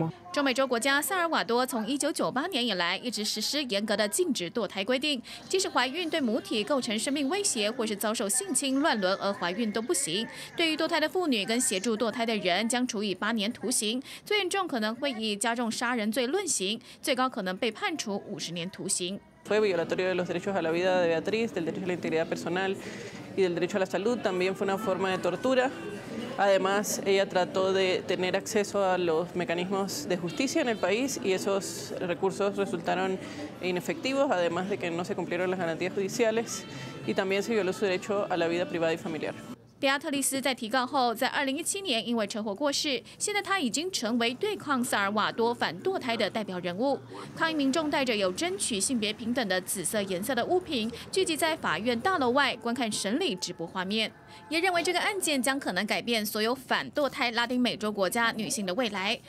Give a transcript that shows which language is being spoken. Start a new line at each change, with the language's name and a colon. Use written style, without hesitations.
Chinese: 中美洲国家萨尔瓦多从1998年以来一直实施严格的禁止堕胎规定，即使怀孕对母体构成生命威胁或是遭受性侵乱伦而怀孕都不行。对于堕胎的妇女跟协助堕胎的人，将处以8年徒刑，最严重可能会以加重杀人罪论刑，最高可能被判处50年徒刑。
Spanish: Fue violatorio de los derechos a la vida de Beatriz, del derecho a la integridad personal y del derecho a la salud. También fue una forma de tortura. Además, ella trató de tener acceso a los mecanismos de justicia en el país y esos recursos resultaron inefectivos, además de que no se cumplieron las garantías judiciales y también se violó su derecho a la vida privada y familiar.
Chinese: 比亚特利斯在提告后，在2017年因为车祸过世。现在她已经成为对抗萨尔瓦多反堕胎的代表人物。抗议民众带着有争取性别平等的紫色颜色的物品，聚集在法院大楼外观看审理直播画面，也认为这个案件将可能改变所有反堕胎拉丁美洲国家女性的未来。